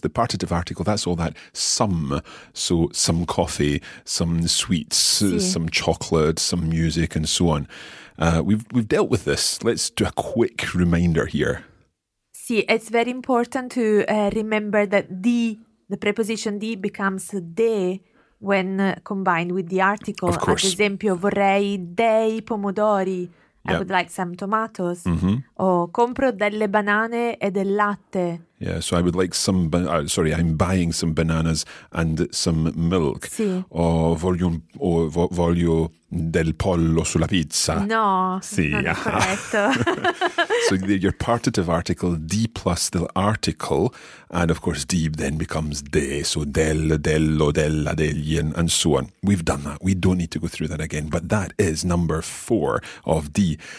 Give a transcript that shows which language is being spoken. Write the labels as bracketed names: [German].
[English] The partitive article, that's all that some. So some coffee, some sweets, some chocolate, some music and so on. We've dealt with this. Let's do a quick reminder here. It's very important to remember that the preposition di becomes de when combined with the article. Of course. [Italian] Ad esempio, vorrei dei pomodori. [English] Yep. I would like some tomatoes. Mm-hmm. [Italian] O compro delle banane e del latte. [English] Yeah, so I would like some, I'm buying some bananas and some milk. [Italian] Sì. O voglio del pollo sulla pizza. No, sì. Corretto. [English] So your partitive article, D plus the article, and of course D then becomes de, so del, dello, della, degli, and so on. We've done that. We don't need to go through that again, but that is number four of D.